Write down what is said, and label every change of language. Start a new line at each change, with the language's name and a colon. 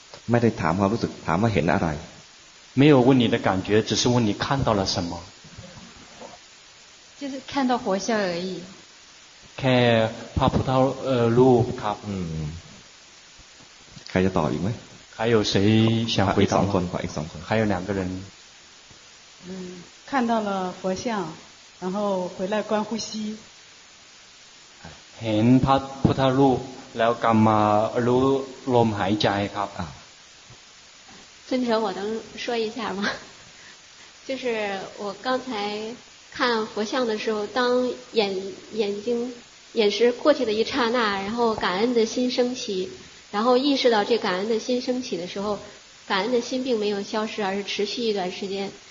Thai: ไม่ได้ถามความรู้สึกถามว่าเห็นอะไร
Chinese: 没有问你的感觉只是问你看到了什么就是看到佛像而已
Thai: แค่พระพุทธรูปครับ ใครจะตอบอีกไหม ใครอยู่สี่ชาว อีกสองคนขออีกสองคน ใครอยู่หนึ่งคน
Chinese: 看到了佛像然后回来观呼吸
Thai: เห็นพระพุทธรูปแล้วกลับมารู้ลมหายใจครับ
Chinese: 尊者我能说一下吗就是我刚才看佛像的时候，当眼睛过去的一刹那，然后感恩的心升起，然后意识到这感恩的心升起的时候，感恩的心并没有消失，而是持续一段时间。